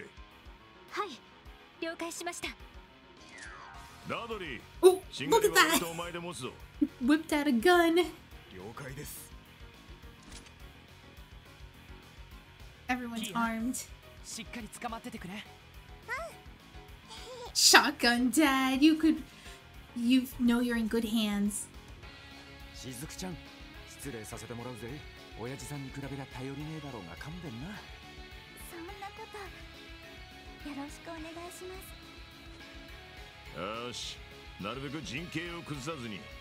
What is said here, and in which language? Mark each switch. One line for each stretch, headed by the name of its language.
Japanese: エリーはフォローに回れ。はい、了解しました。ナドリ。
English: Oh, look at that. Whipped out a gun.
Japanese: 了解です。
English: Everyone's armed.
Japanese: しっかり捕まっててくれ。
English: Shotgun dad, you know you're in good hands.
Japanese: Shizuku-chan, 失礼させてもらうぜ。親父さんに比べりゃ頼りねえだろうが勘弁な。そんなこと、よろしくお願いします。よし、なるべく人形を崩さずに。